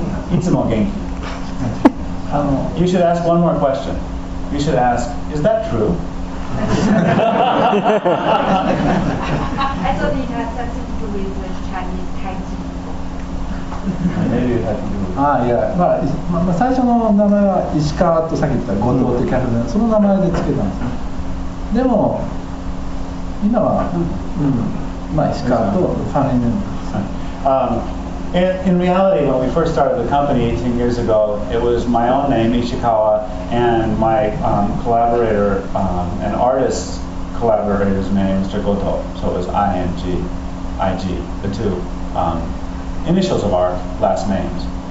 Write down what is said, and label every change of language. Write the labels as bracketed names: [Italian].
[English] Itsumo Genki. You should ask one more question. You should ask, is that true? I thought it had something to do with Chinese timekeeping. Maybe it had to do with it. [Japanese] まあ、最初の名前は石川とさっき言った後藤というキャラで、その名前で付けたんですね。でも、今は、まあ、石川とファミリーメンバーです。 [English] In reality, when we first started the company 18 years ago, it was my own name, Ishikawa, and my collaborator, an artist's collaborator's name, Mr. Goto. So it was I-N-G, I-G, the two initials of our last names.